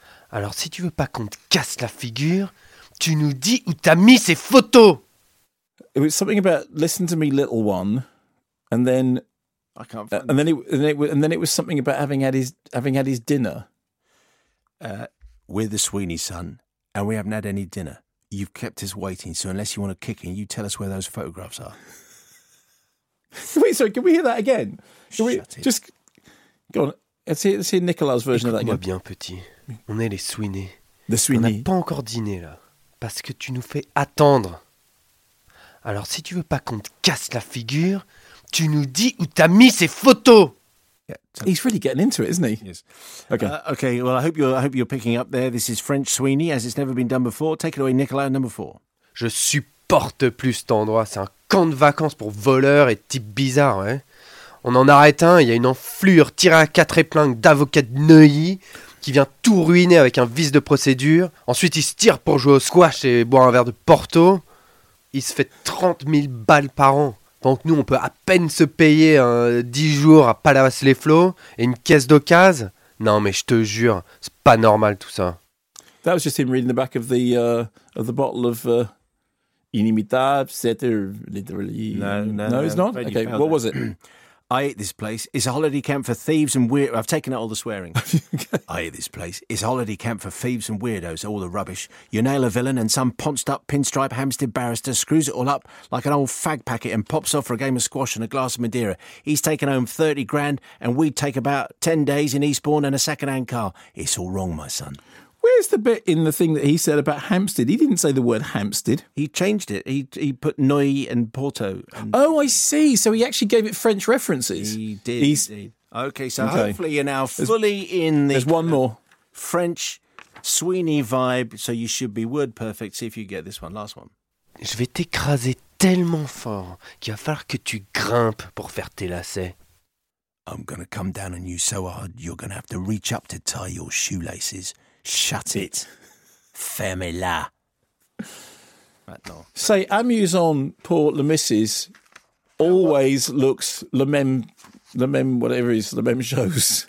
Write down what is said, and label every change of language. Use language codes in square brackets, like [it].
[fr] Alors, si tu veux pas qu'on te casse la figure, tu nous dis où t'as mis ces photos. [en] It was something about, listen to me, little one. And then... I can't. And then it was something about having had his dinner. We're the Sweeney, son, and we haven't had any dinner. You've kept us waiting, so unless you want to kick in, you tell us where those photographs are. Wait, sorry, can we hear that again? Shut it. Just go on. Let's hear Nicolas's version [fr] Écoute [en] of that [fr] moi [en] again. [fr] Bien, petit. On est les Sweeney. [en] The Sweeney. [fr] On n'a pas encore dîné là, parce que tu nous fais attendre. Alors si tu veux pas qu'on te casse la figure. Tu nous dis où t'as mis ces photos. [en] Yeah, he's really getting into it, isn't he? Yes. Okay. Okay. Well, I hope you're picking up there. This is French Sweeney, as it's never been done before. Take it away, Nicolas, number four. [fr] Je supporte plus cet endroit. C'est un camp de vacances pour voleurs et types bizarres. Hein. On en arrête un. Il y a une enflure tirée à quatre épingles d'avocat de Neuilly qui vient tout ruiner avec un vice de procédure. Ensuite, il se tire pour jouer au squash et boire un verre de Porto. Il se fait 30 000 balles par an. Donc nous, on peut à peine se payer 10 jours à Palavas-les-Flots et une caisse d'occasion. Non, mais je te jure, c'est pas normal tout ça. [en] That was just him reading the back of the bottle of Inimitable, [fr] c'était [en] literally... No, it's not? Okay, what was it? I hate this place. It's a holiday camp for thieves and weirdos. I've taken out all the swearing. I hate this place. It's a holiday camp for thieves and weirdos. All the rubbish. You nail a villain and some ponced up pinstripe Hampstead barrister screws it all up like an old fag packet and pops off for a game of squash and a glass of Madeira. He's taken home 30 grand and we'd take about 10 days in Eastbourne and a second-hand car. It's all wrong, my son. Where's the bit in the thing that he said about Hampstead? He didn't say the word Hampstead. He changed it. He put Neuilly and Porto. And oh, I see. So he actually gave it French references. He did. Okay. Hopefully you're now fully there's one more. French Sweeney vibe, so you should be word perfect. See if you get this one. Last one. [fr] Je vais t'écraser tellement fort qu'il va falloir que tu grimpes pour faire tes lacets. [en] I'm going to come down on you so hard you're going to have to reach up to tie your shoelaces. Shut it. [fr] Ferme-la. [en] Say, amusant pour le missus always looks le même shows.